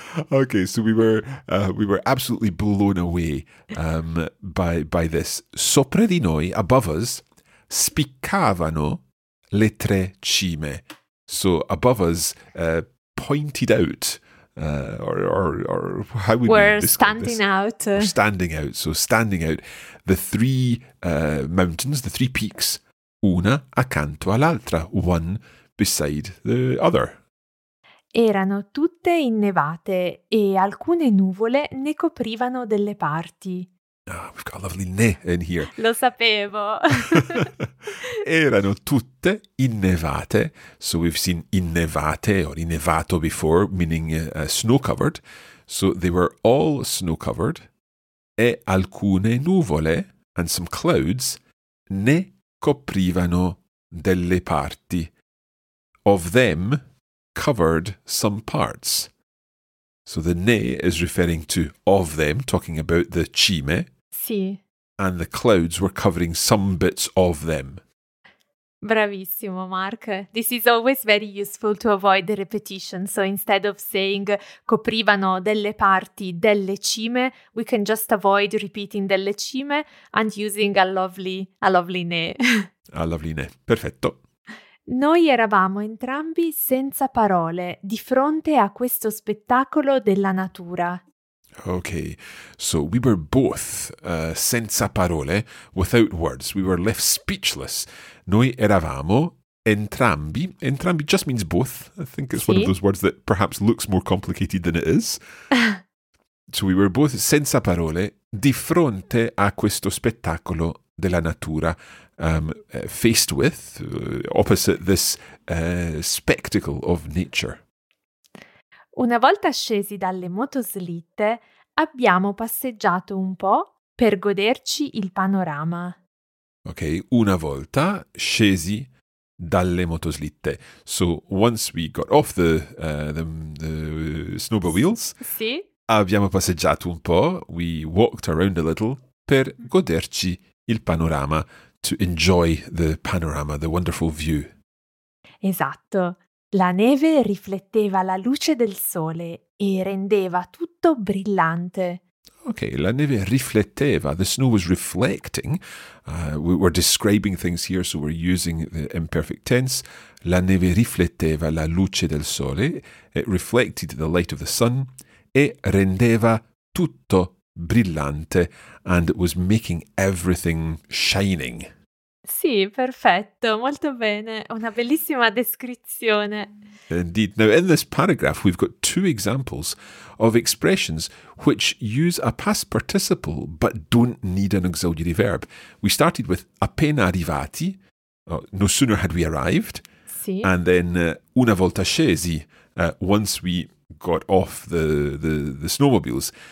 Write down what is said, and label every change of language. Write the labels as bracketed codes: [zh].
[en] Okay, so we were absolutely blown away by this. [it] Sopra di noi, [en] above us, [it] spiccavano le tre cime. [en] So above us, pointed out, or how would we're describe standing this? Out. We're standing out. So standing out, the three mountains, the three peaks, [it] una accanto all'altra, [en] one beside the other. [it] Erano tutte innevate e alcune nuvole ne coprivano delle parti. [en] Oh, we've got a lovely ne in here. [it] Lo sapevo. Erano tutte innevate. [en] So we've seen innevate or innevato before, meaning snow-covered. So they were all snow-covered. [it] E alcune nuvole [en] and some clouds [it] ne coprivano delle parti. [en] Of them covered some parts. So the ne is referring to of them, talking about the cime. [it] Sì. [en] And the clouds were covering some bits of them. [it] Bravissimo, Mark. [en] This is always very useful to avoid the repetition. So instead of saying [it] coprivano delle parti delle cime, [en] we can just avoid repeating delle cime and using a lovely ne. A lovely ne. [it] Perfetto. Noi eravamo entrambi senza parole di fronte a questo spettacolo della natura. [en] Okay, so we were both [it] senza parole, [en] without words. We were left speechless. [it] Noi eravamo Entrambi. [en] Entrambi just means both. I think it's one of those words that perhaps looks more complicated than it is. So we were both [it] senza parole di fronte a questo spettacolo della natura. [en] Faced with, opposite this spectacle of nature. [it] Una volta scesi dalle motoslitte, abbiamo passeggiato un po' per goderci il panorama. Ok, una volta scesi dalle motoslitte. [en] So once we got off the snowboard wheels, [it] sì. Abbiamo passeggiato un po', [en] we walked around a little, [it] per goderci il panorama, [en] to enjoy the panorama, the wonderful view. [it] Esatto. La neve rifletteva la luce del sole e rendeva tutto brillante. Ok, la neve rifletteva. [en] The snow was reflecting. We were describing things here, so we're using the imperfect tense. [it] La neve rifletteva la luce del sole. [en] It reflected the light of the sun. [it] E rendeva tutto brillante. [en] And it was making everything shining. [it] Sì, perfetto. Molto bene. Una bellissima descrizione. [en] Indeed. Now, in this paragraph, we've got two examples of expressions which use a past participle but don't need an auxiliary verb. We started with [it] appena arrivati, [en] no sooner had we arrived, sì. And then [it] una volta scesi, [en] once we got off the snowmobiles.